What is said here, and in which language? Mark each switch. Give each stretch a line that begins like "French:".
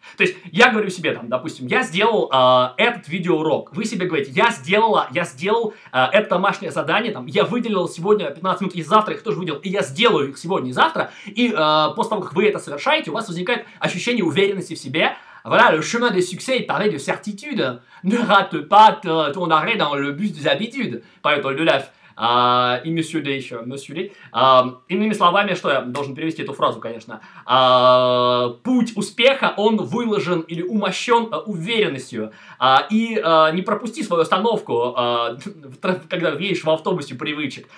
Russian: То есть я говорю себе, там, допустим, я сделал этот видеоурок. Вы себе говорите, я сделал это домашнее задание, там, я выделил сегодня 15 минут, и завтра их тоже выделил, и я сделаю их сегодня и завтра, и после того, как вы это совершаете, у вас возникает ощущение уверенности в себе.
French: Voilà, le chemin de succès est pavé de certitude. Ne rate pas ton arrêt dans le bus des habitudes.
Russian: Поет Оль Дюляв. И Monsieur Day еще.
French: Monsieur Day.
Russian: Иными словами, что я должен перевести эту фразу, конечно. Путь успеха, он выложен или умощен уверенностью. И не пропусти свою остановку, когда едешь в автобусе привычек.